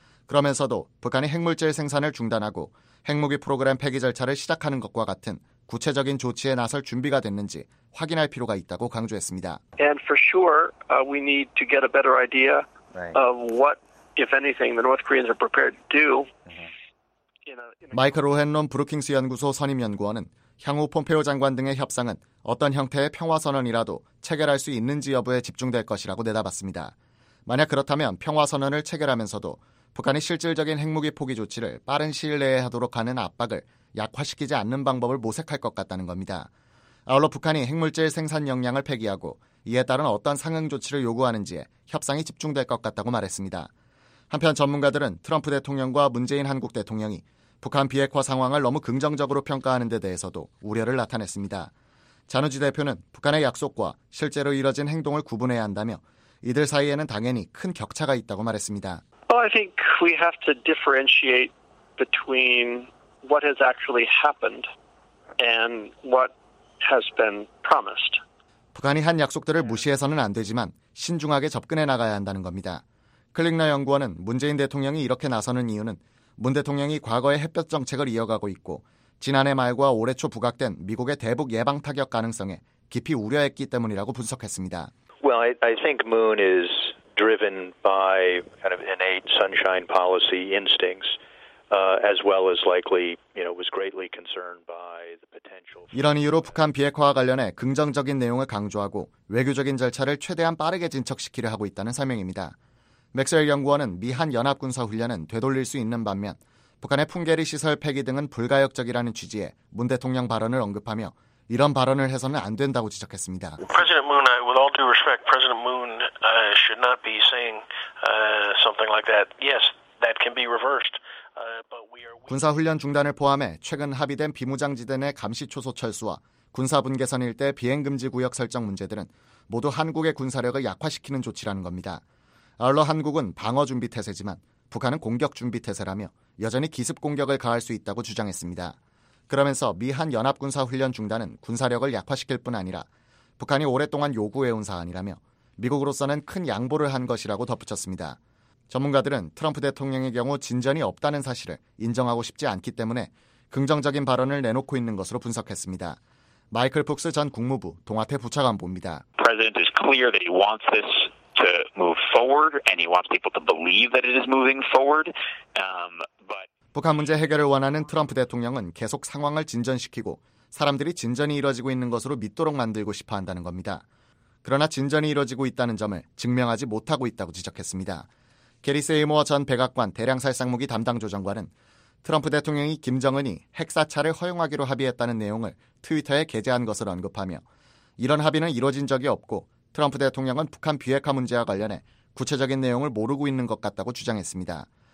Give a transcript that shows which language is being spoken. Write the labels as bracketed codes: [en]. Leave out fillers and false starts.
[ko] 그러면서도 북한이 핵물질 생산을 중단하고 핵무기 프로그램 폐기 절차를 시작하는 것과 같은 구체적인 조치에 나설 준비가 됐는지 확인할 필요가 있다고 강조했습니다. [en] And for sure, we need to get a better idea of what, if anything, the North Koreans are prepared to do. [ko] 마이클 로헨론 브루킹스 연구소 선임 연구원은 향후 폼페오 장관 등의 협상은 어떤 형태의 평화 선언이라도 체결할 수 있는지 여부에 집중될 것이라고 내다봤습니다. 만약 그렇다면 평화 선언을 체결하면서도 북한이 실질적인 핵무기 포기 조치를 빠른 시일 내에 하도록 하는 압박을 약화시키지 않는 방법을 모색할 것 같다는 겁니다. 아울러 북한이 핵물질 생산 역량을 폐기하고 이에 따른 어떤 상응 조치를 요구하는지에 협상이 집중될 것 같다고 말했습니다. 한편 전문가들은 트럼프 대통령과 문재인 한국 대통령이 북한 비핵화 상황을 너무 긍정적으로 평가하는 데 대해서도 우려를 나타냈습니다. 자누지 대표는 북한의 약속과 실제로 이뤄진 행동을 구분해야 한다며 이들 사이에는 당연히 큰 격차가 있다고 말했습니다. [en] Well, I think we have to differentiate between what has actually happened and what has been promised. [ko] 북한이 한 약속들을 무시해서는 안 되지만 신중하게 접근해 나가야 한다는 겁니다. 클릭나 연구원은 문재인 대통령이 이렇게 나서는 이유는 문 대통령이 과거의 햇볕 정책을 이어가고 있고 지난해 말과 올해 초 부각된 미국의 대북 예방 타격 가능성에 깊이 우려했기 때문이라고 분석했습니다. [en] Well, I think Moon is driven by kind of innate sunshine policy instincts as well as likely, you know, was greatly concerned by the potential [ko] 이런 이유로 북한 비핵화와 관련해 긍정적인 내용을 강조하고 외교적인 절차를 최대한 빠르게 진척시키려 하고 있다는 설명입니다. 맥스웰 연구원은 미한 연합군사 훈련은 되돌릴 수 있는 반면 북한의 풍계리 시설 폐기 등은 불가역적이라는 취지의 문 대통령 발언을 언급하며 이런 발언을 해서는 안 된다고 지적했습니다. [en] President Moon, with all due respect, President Moon should not be saying something like that. Yes, that can be reversed. [ko] 군사 훈련 중단을 포함해 최근 합의된 비무장지대 내 감시 초소 철수와 군사 분계선 일대 비행 금지 구역 설정 문제들은 모두 한국의 군사력을 약화시키는 조치라는 겁니다. 아울러 한국은 방어 준비 태세지만 북한은 공격 준비 태세라며 여전히 기습 공격을 가할 수 있다고 주장했습니다. 그러면서 미한 연합군사 훈련 중단은 군사력을 약화시킬 뿐 아니라 북한이 오랫동안 요구해온 사안이라며 미국으로서는 큰 양보를 한 것이라고 덧붙였습니다. 전문가들은 트럼프 대통령의 경우 진전이 없다는 사실을 인정하고 싶지 않기 때문에 긍정적인 발언을 내놓고 있는 것으로 분석했습니다. 마이클 푹스 전 국무부 동아태 부차관보입니다. [en] President is clear that he wants this to move forward and he wants people to believe that it is moving forward. But [ko] 북한 문제 해결을 원하는 트럼프 대통령은 계속 상황을 진전시키고 사람들이 진전이 이루어지고 있는 것으로 믿도록 만들고 싶어 한다는 겁니다. 그러나 진전이 이루어지고 있다는 점을 증명하지 못하고 있다고 지적했습니다. 게리 세이모어 전 백악관 대량살상무기 담당 조정관은 트럼프 대통령이 김정은이 핵사찰을 허용하기로 합의했다는 내용을 트위터에 게재한 것을 언급하며 이런 합의는 이루어진 적이 없고 트럼프 대통령은 북한 비핵화 문제와 관련해 구체적인 내용을 모르고 있는 것 같다고 주장했습니다.